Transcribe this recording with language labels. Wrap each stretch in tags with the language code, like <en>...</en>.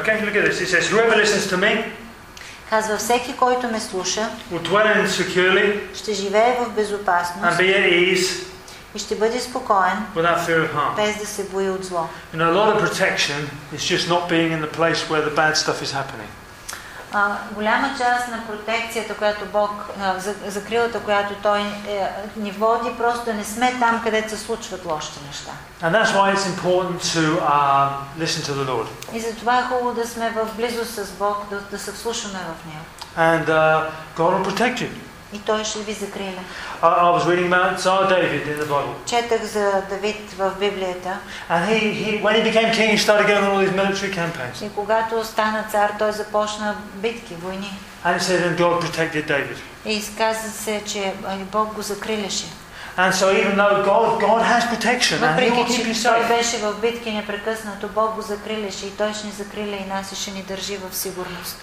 <en>Okay, look at this. It says, whoever listens to me,</en> <bg>казва, всеки, който ме слуша,</bg> <en>securely,</en> <bg>ще живее в безопасност</bg> <en>and be at ease,</en> <bg>и ще бъде спокоен,</bg> <en>without fear of harm.</en> <bg>Без да се бои от зло.</bg> <en>You know, a lot of protection is just not being in the place where the bad stuff is happening.</en> <bg>Голяма част на протекцията, която Бог, закрилата, която Той ни води, просто не сме там, където се случват лошите неща.</bg> <en>And that's why it's important to listen to the Lord.</en> <bg>И затова е хубаво да сме в близост с Бог, да се вслушаме в Него.</bg> <en>And God will protect you.</en> <bg>И Той ще ви закриле.</bg> <en>I was reading about Tsar David in the Bible.</en> <bg>Четах за Давид в Библията.</bg> <en>And when he became king, he started going on all these military campaigns.</en> <bg>И когато стана цар, той започна битки, войни.</bg> <en>And it said, and God protected David.</en> <bg>И изказа се, че Бог го закрилеше.</bg> <en>And so even though God has protection, and</en> <bg>въпреки,</bg> <en>he will keep you safe.</en> <bg>Беше в битки непрекъснато, Бог го закрилеше и Той ще ни закриле и нас и ще ни държи в сигурност.</bg>